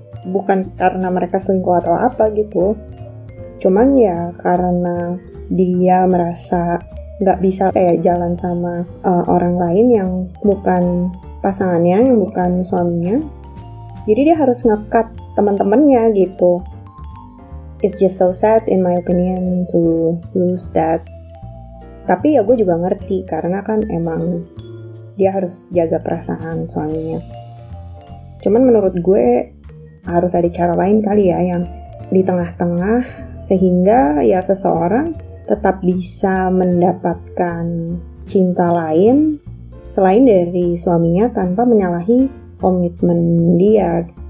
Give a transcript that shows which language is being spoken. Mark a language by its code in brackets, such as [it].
[id] Bukan karena mereka selingkuh atau apa gitu. Cuman ya karena dia merasa gak bisa kayak jalan sama orang lain yang bukan pasangannya, yang bukan suaminya. Jadi dia harus nge-cut teman-temannya gitu. [en] It's just so sad in my opinion to lose that. [id] Tapi ya gue juga ngerti, karena kan emang dia harus jaga perasaan suaminya. Cuman menurut gue harus ada cara lain kali ya, yang di tengah-tengah, sehingga ya seseorang tetap bisa mendapatkan cinta lain selain dari suaminya tanpa menyalahi komitmen dia.